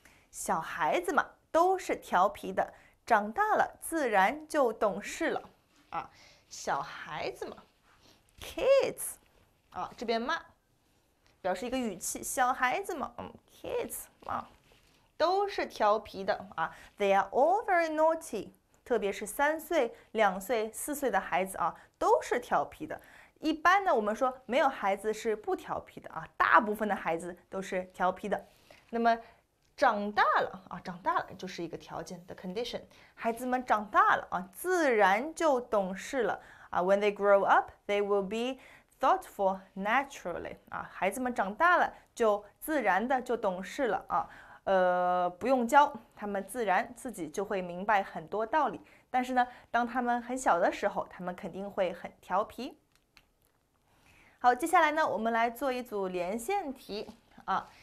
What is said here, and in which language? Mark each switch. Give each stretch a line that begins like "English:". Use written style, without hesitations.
Chinese: 小孩子嘛，都是调皮的。长大了，自然就懂事了，啊，小孩子嘛，kids，啊，这边嘛，表示一个语气，小孩子嘛，kids 嘛，都是调皮的啊，
English: they are all very naughty，
Chinese: 特别是3岁、2岁、4岁的孩子啊，都是调皮的。一般呢，我们说没有孩子是不调皮的啊，大部分的孩子都是调皮的。那么。长大了啊，长大了就是一个条件，
English: the condition。
Chinese: 孩子们长大了啊，自然就懂事了啊。
English: When they grow up, they will be thoughtful naturally。
Chinese: 啊，孩子们长大了就自然的就懂事了啊。不用教，他们自然自己就会明白很多道理。但是呢，当他们很小的时候，他们肯定会很调皮。好，接下来呢，我们来做一组连线题啊。